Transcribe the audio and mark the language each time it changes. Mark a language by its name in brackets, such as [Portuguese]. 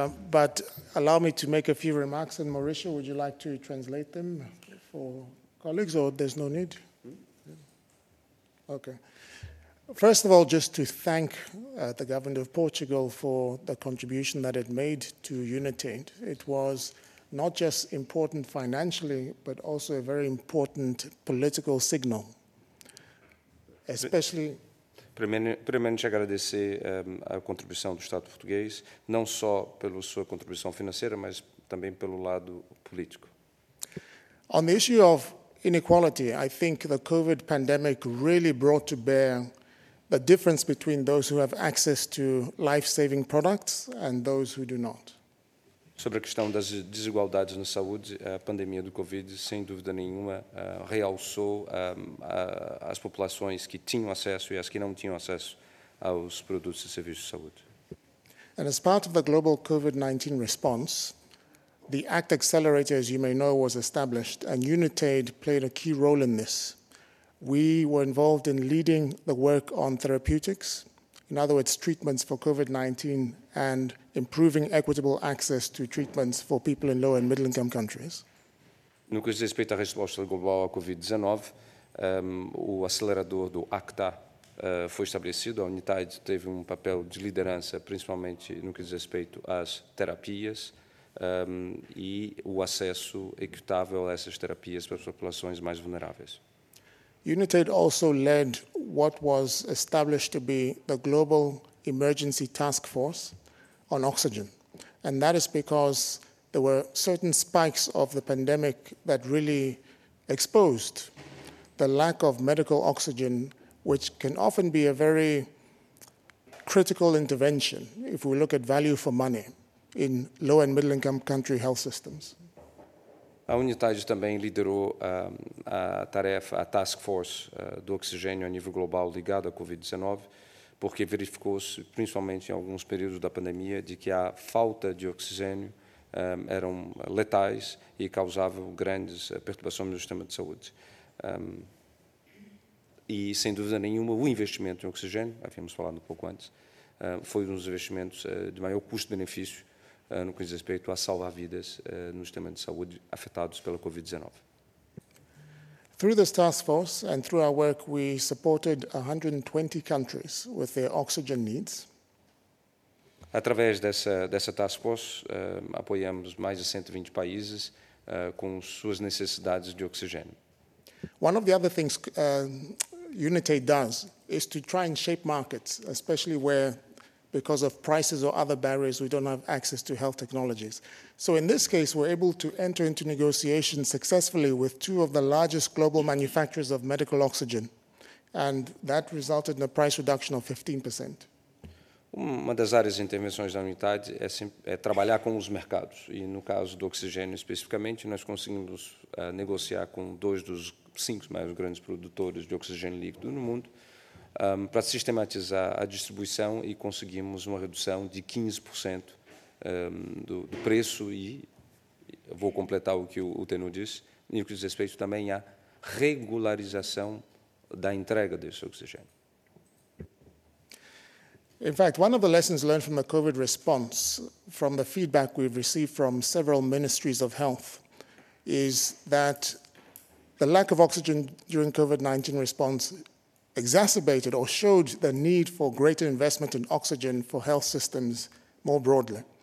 [English] But allow me to make a few remarks. And Mauricio, would you like to translate them for colleagues, or there's no need? Okay. First of all, just to thank the government of Portugal for the contribution that it made to Unitaid. It was not just important financially, but also a very important political signal. Especially... [Portuguese] Primeiramente, agradecer a contribuição do Estado português, não só pela sua contribuição financeira, mas também pelo lado político. [English] On the issue of inequality, I think the COVID pandemic really brought to bear the difference between those who have access to life-saving products and those who do not. [Portuguese] sobre a questão das desigualdades na saúde. A pandemia do Covid, sem dúvida nenhuma, realçou as populações que tinham acesso e as que não tinham acesso aos produtos e serviços de saúde. [English] And as part of the global COVID-19 response, the ACT Accelerator, as you may know, was established, and Unitaid played a key role in this. We were involved in leading the work on therapeutics, in other words, treatments for COVID-19, and improving equitable access to treatments for people in low and middle income countries. [Portuguese] No que diz respeito à resposta global à COVID-19, o acelerador do ACTA foi estabelecido. A Unitaid teve papel de liderança, principalmente no que diz respeito às terapias. E o acesso equitável a essas terapias para as populações mais vulneráveis. [English] Unitaid also led what was established to be the Global Emergency Task Force on Oxygen. And that is because there were certain spikes of the pandemic that really exposed the lack of medical oxygen, which can often be a very critical intervention if we look at value for money in low and middle income country health systems. [Portuguese] A Unitaid também liderou a tarefa, a task force do oxigênio a nível global ligado à COVID-19, porque verificou-se, principalmente em alguns períodos da pandemia, de que a falta de oxigênio eram letais e causavam grandes perturbações no sistema de saúde. E, sem dúvida nenhuma, o investimento em oxigênio, havíamos falado um pouco antes, foi um dos investimentos de maior custo-benefício no que diz respeito a salvar vidas no sistema de saúde afetados pela COVID-19. [English] Through this task force and through our work, we supported 120 countries with their oxygen needs. [Portuguese] Através dessa task force, apoiamos mais de 120 países com suas necessidades de oxigênio. [English] One of the other things Unitaid does is to try and shape markets, especially where, because of prices or other barriers, we don't have access to health technologies. So in this case, we're able to enter into negotiations successfully with two of the largest global manufacturers of medical oxygen, and that resulted in a price reduction of 15%. [Portuguese] Uma das áreas de intervenções da Unitaid é trabalhar com os mercados, e no caso do oxigênio especificamente, nós conseguimos negociar com dois dos cinco mais grandes produtores de oxigênio líquido no mundo, para sistematizar a distribuição, e conseguimos uma redução de 15% do preço, e vou completar o que o Tenu disse, e o que diz respeito também à regularização da entrega desse oxigênio. [English] In fact, one of the lessons learned from the COVID response, from the feedback we've received from several ministries of health, is that the lack of oxygen during COVID-19 response exacerbated or showed the need for greater investment in oxygen for health systems more broadly.